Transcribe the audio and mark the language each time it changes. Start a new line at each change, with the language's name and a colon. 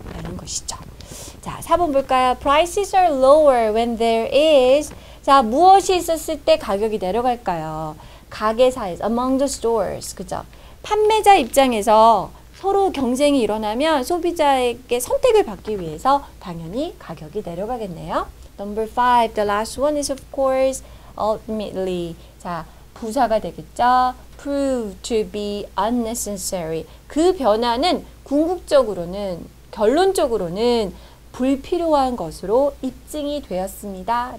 Korean: 라는 것이죠. 자, 4번 볼까요?
English: prices are lower when there is
Korean: 자, 무엇이 있었을 때 가격이 내려갈까요? 가게사에서,
English: among the stores,
Korean: 그죠? 판매자 입장에서 서로 경쟁이 일어나면 소비자에게 선택을 받기 위해서 당연히 가격이 내려가겠네요.
English: Number five, the last one is of course, ultimately.
Korean: 자, 부사가 되겠죠?
English: Prove to be unnecessary.
Korean: 그 변화는 궁극적으로는, 결론적으로는 불필요한 것으로 입증이 되었습니다.